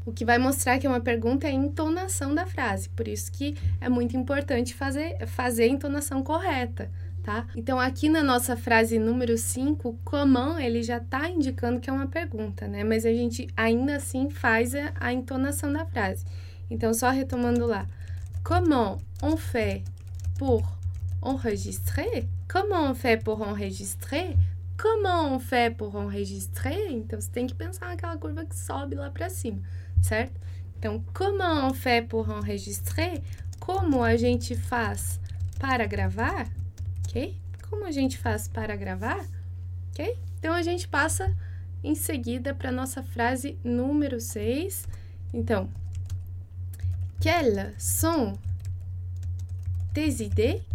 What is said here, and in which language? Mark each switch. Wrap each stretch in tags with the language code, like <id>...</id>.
<pt>O que vai mostrar que é uma pergunta é a entonação da frase. Por isso que é muito importante fazer a entonação correta, tá? Então, aqui na nossa frase número 5, comment, ele já está indicando que é uma pergunta, né? Mas a gente, ainda assim, faz a entonação da frase. Então, só retomando lá.</pt> <fr>Comment on fait pour enregistrer? Comment on fait pour enregistrer? Comment on fait pour enregistrer?</fr> <pt>Então, você tem que pensar naquela curva que sobe lá para cima, certo?</pt> <fr>Então, comment on fait pour enregistrer?</fr> <pt>Como a gente faz para gravar? Ok? Como a gente faz para gravar? Ok? Então, a gente passa em seguida para a nossa frase número 6.</pt> <fr>Então, quelles sont tes idées?</fr>